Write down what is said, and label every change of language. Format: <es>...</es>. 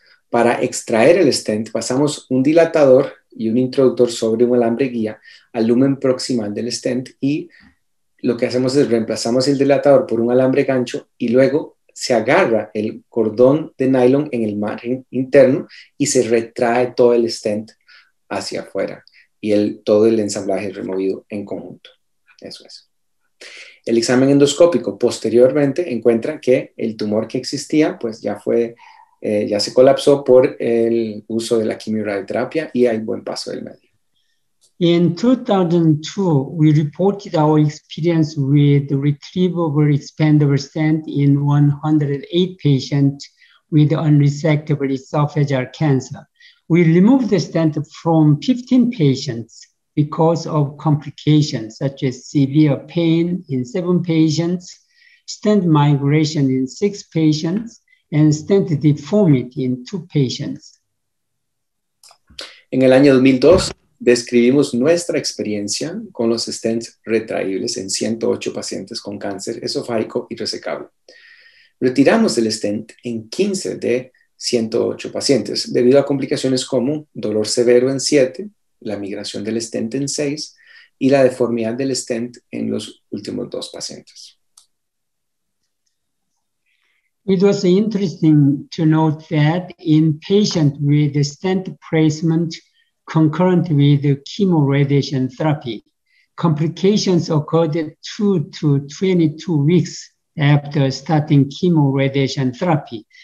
<es>Para extraer el stent, pasamos un dilatador y un introductor sobre un alambre guía al lumen proximal del stent y lo que hacemos es reemplazamos el dilatador por un alambre gancho y luego se agarra el cordón de nylon en el margen interno y se retrae todo el stent hacia afuera y todo el ensamblaje es removido en conjunto. Eso es. El examen endoscópico posteriormente encuentra que el tumor que existía pues ya fue ya se colapsó por el uso de la quimioterapia y hay buen paso del medio.</es> <en>In 2002, we reported our experience with retrievable expandable stent in 108 patients with unresectable esophageal cancer. We removed the stent from 15 patients because of complications such as severe pain in 7 patients, stent migration in 6 patients, and stent deformity in 2 patients.</en> <es>En el año 2002, describimos nuestra experiencia con los stents retraíbles en 108 pacientes con cáncer esofágico y resecable. Retiramos el stent en 15 de 108 pacientes debido a complicaciones como dolor severo en 7, la migración del stent en 6 y la deformidad del stent en los últimos 2 pacientes.</es> <en>It was interesting to note that in patients with stent placement concurrent with chemo radiation therapy, complications occurred 2 to 22 weeks after starting chemo radiation therapy.</en>